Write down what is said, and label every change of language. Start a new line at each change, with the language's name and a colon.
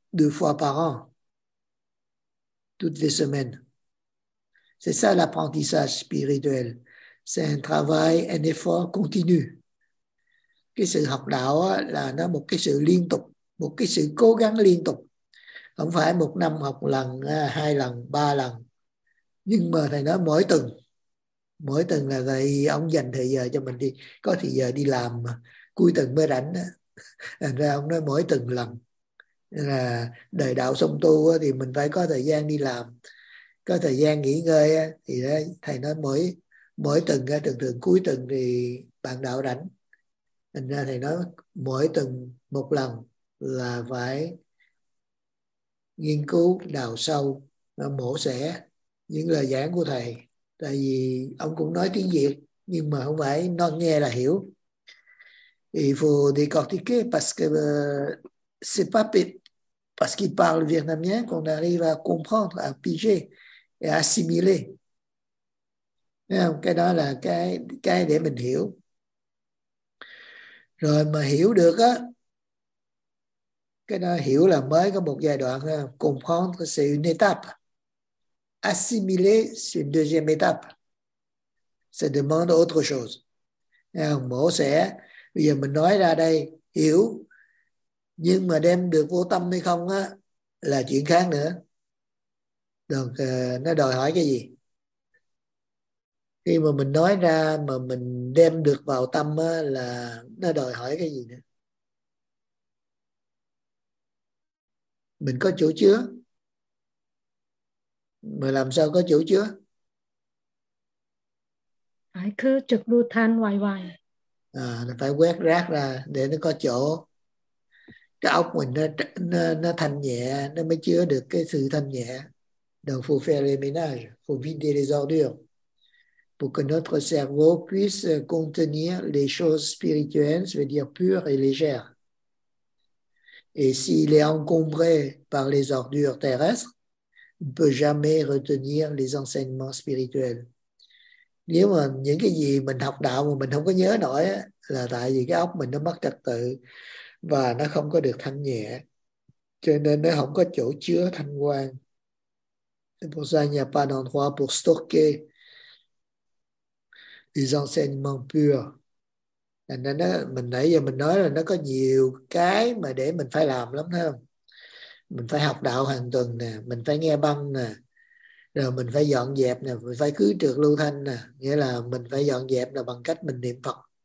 French: deux fois par an, toutes les semaines. C'est ça l'apprentissage spirituel. C'est un travail, un effort continu.
Vietnamese: Cái sự học đạo là nó một cái sự liên tục, một cái sự cố gắng liên tục. Không phải một năm học lần, hai lần, ba lần. Nhưng mà thầy nói mỗi tuần. Mỗi tuần là thầy ông dành thời giờ cho mình đi. Có thời giờ đi làm mà. Cuối tuần mới rảnh đó. Thành ra ông nói mỗi tuần lần. Nên là đời đạo song tu thì mình phải có thời gian đi làm. Có thời gian nghỉ ngơi. Thì thầy nói mỗi mỗi tuần, thường thường cuối tuần thì bạn đạo rảnh. Thành ra thầy nói mỗi tuần một lần là phải nghiên cứu đào sâu, mổ xẻ những lời giảng của thầy. Tại vì ông cũng nói tiếng Việt nhưng mà không phải non nghe là hiểu.
French: Il faut décortiquer parce que c'est pas parce qu'il parle vietnamien qu'on arrive à comprendre, à piger et assimiler.
Vietnamese: Cái đó là cái để mình hiểu. Rồi mà hiểu được á, cái đó hiểu là mới có một giai đoạn.
French: Comprendre, c'est une étape. Assimiler, c'est une deuxième étape. Ça demande autre chose.
Vietnamese: Mổ xẻ, bây giờ mình nói ra đây, hiểu. Nhưng mà đem được vô tâm hay không á, là chuyện khác nữa. Được, nó đòi hỏi cái gì? Khi mà mình nói ra, mà mình đem được vào tâm á, là nó đòi hỏi cái gì nữa? Mình có chỗ chứa. Mà làm sao có chỗ chứa? Phải cứ trực đu than hoài hoài. À, phải quét rác ra để nó có chỗ. Cái óc mình nó thanh nhẹ, nó mới chứa được cái sự thanh nhẹ.
French: Donc faut faire le ménage, faut vider les ordures. Pour que notre cerveau puisse contenir les choses spirituelles, c'est-à-dire pures et légères. Et s'il est encombré par les ordures terrestres, il ne peut jamais retenir les enseignements spirituels.
Vietnamese: Nếu mà những cái gì mình học đạo mà mình không có nhớ nổi á, là tại vì cái óc mình nó mất trật tự và nó không có được thanh nhẹ. Cho nên nó không có chỗ chứa thanh quang.
French: C'est pour ça qu'il n'y a pas d'endroit pour stocker les enseignements purs.
Vietnamese: Nên nó, mình nãy giờ mình nói là nó có nhiều cái mà để mình phải làm lắm, thấy không? Mình phải học đạo hàng tuần nè, mình phải nghe băng nè, rồi mình phải dọn dẹp nè, mình phải cứ trượt lưu thanh nè, nghĩa là mình phải dọn dẹp là bằng cách mình niệm Phật.